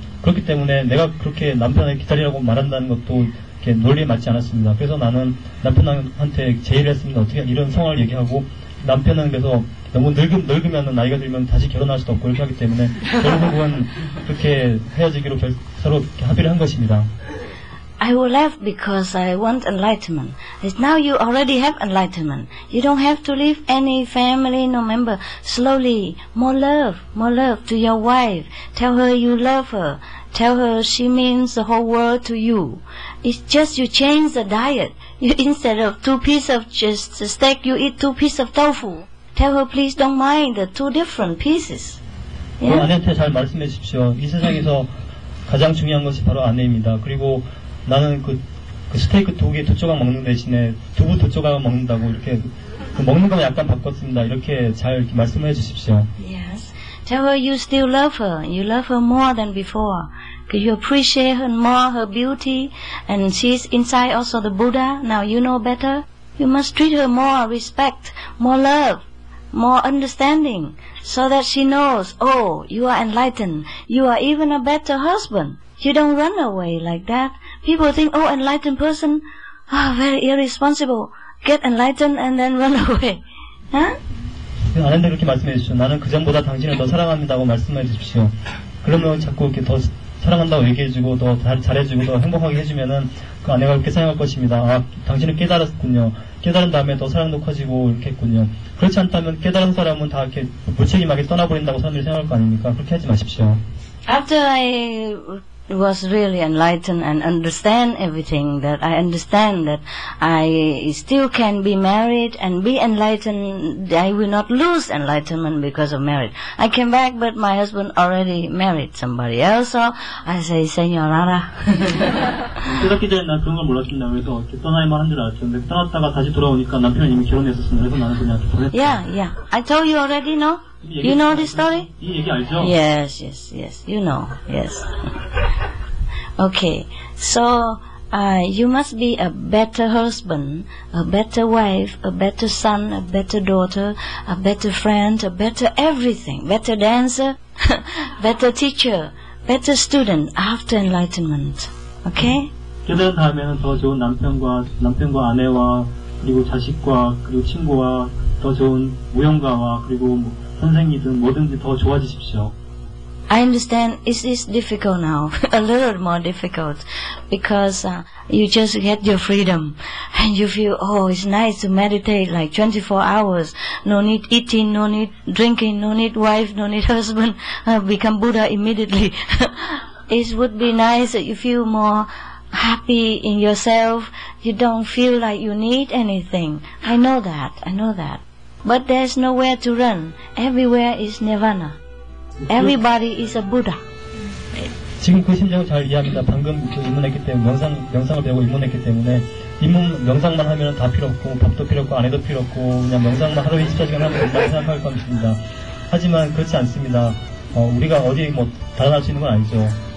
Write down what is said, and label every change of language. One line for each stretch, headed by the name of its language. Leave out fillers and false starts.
Korean: 그렇기 때문에 내가 그렇게 남편을 기다리라고 말한다는 것도 이렇게 논리에 맞지 않았습니다. 그래서 나는 남편한테 제의를 했습니다. 어떻게 이런 상황을 얘기하고 남편은 그래서 너무 늙으면은 나이가 들면 다시 결혼할 수도 없고 이렇게 하기 때문에 결국은 그렇게 헤어지기로 서로 합의를 한 것입니다.
English: I will leave because I want enlightenment. It's now you already have enlightenment. You don't have to leave any family, no member. Slowly, more love to your wife. Tell her you love her. Tell her she means the whole world to you. It's just you change the diet. You, instead of 2 pieces of just steak, you eat 2 pieces of tofu. Tell her please don't mind the 2 different pieces. Yeah?
Korean: 아내한테 잘 말씀해 주십시오. 이 세상에서 가장 중요한 것이 바로 아내입니다. 그리고 나는 그 스테이크 2개 2조각 먹는 대신에 두부 2조각 먹는다고 이렇게 그 먹는 거 약간 바꿨습니다. 이렇게 잘 이렇게 말씀해 주십시오.
English: Yes. Tell her you still love her. You love her more than before. You appreciate her more, her beauty. And she's inside also the Buddha. Now you know better. You must treat her more respect, more love, more understanding. So that she knows, oh, you are enlightened. You are even a better husband. You don't run away like that. People think, oh, enlightened person, oh, very irresponsible. Get enlightened and then run away. Huh?
Korean: 아내 그렇게 말씀해 주십시오. 나는 그 전보다 당신을 더 사랑합니다고 말씀해 주십시오. 그러면 자꾸 이렇게 더 사랑한다고 얘기해 주고 더 잘해 주고 더 행복하게 해주면은 그 아내가 그렇게 생각할 것입니다. 아, 당신은 깨달았군요. 깨달은 다음에 더 사랑도 커지고 이렇게 했군요. 그렇지 않다면 깨달은 사람은 다 이렇게 무책임하게 떠나버린다고 사람들이 생각할 거 아닙니까? 그렇게 하지 마십시오.
English: After I was really enlightened and understand everything, that I understand that I still can be married and be enlightened, I will not lose enlightenment because of marriage. I came back, but my husband already married somebody else, so I say, Señorara.
Korean: 그렇게 되면 난 그런 걸 몰랐습니다. 그래서 어떻게 떠나야 말 한 줄 알았죠. 떠났다가 다시 돌아오니까 남편은 이미 결혼했었습니다. 그래서 나는 그냥 돌아왔죠.
English: Yeah, yeah. I told you already, no? You know this story?
Korean: 이 얘기 알죠?
English: Yes, yes, yes. You know, yes. Okay, so you must be a better husband, a better wife, a better son, a better daughter, a better friend, a better everything, better dancer, better teacher, better student after enlightenment. Okay?
Korean: 깨달은 다음에는 더 좋은 남편과 아내와 그리고 자식과 그리고 친구와 더 좋은 무용가와 그리고 뭐 선생이든 뭐든지 더 좋아지십시오.
English: I understand it is difficult now, a little more difficult, because you just get your freedom, and you feel, oh, it's nice to meditate like 24 hours, no need eating, no need drinking, no need wife, no need husband, become Buddha immediately. It would be nice that you feel more happy in yourself, you don't feel like you need anything. I know that. But there's nowhere to run. Everywhere is Nirvana. Everybody is a Buddha.
Korean: 지금 그 심정을 잘 이해합니다. 방금 그 입문했기 때문에 명상을 배우고 입문했기 때문에 입문 명상만 하면 다 필요 없고 밥도 필요 없고 아내도 필요 없고 그냥 명상만 하루 24시간 하면 된다고 생각할 것 같습니다. 하지만 그렇지 않습니다. 우리가 어디 뭐 달아날 수 있는 건 아니죠.